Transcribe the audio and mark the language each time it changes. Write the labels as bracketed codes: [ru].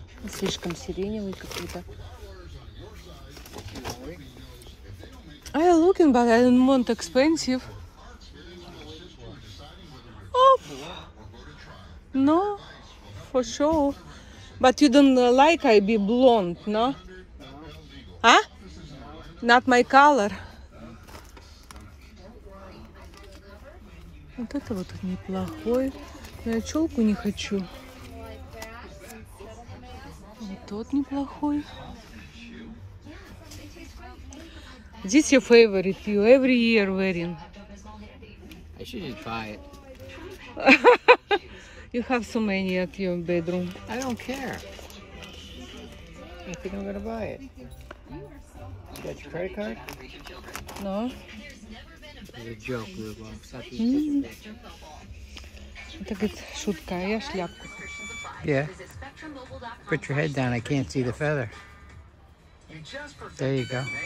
[ru] Слишком сиреневый какой-то. [en] I'm looking, but I don't want expensive. Oh, no, for sure. But you don't like I be blonde, no? Huh? Not my color. [ru] Вот это вот неплохой. Но я челку не хочу. Вот тот неплохой. [en] This your favorite, you every year wearing. I should just buy it. You have so many at your bedroom. I don't care. I think I'm gonna buy it. You got your credit card? No. It's a joke, Любов. Mm-hmm. [ru] Это говорит, шутка, я шляпку. [en] Yeah. Put your head down, I can't see the feather. There you go.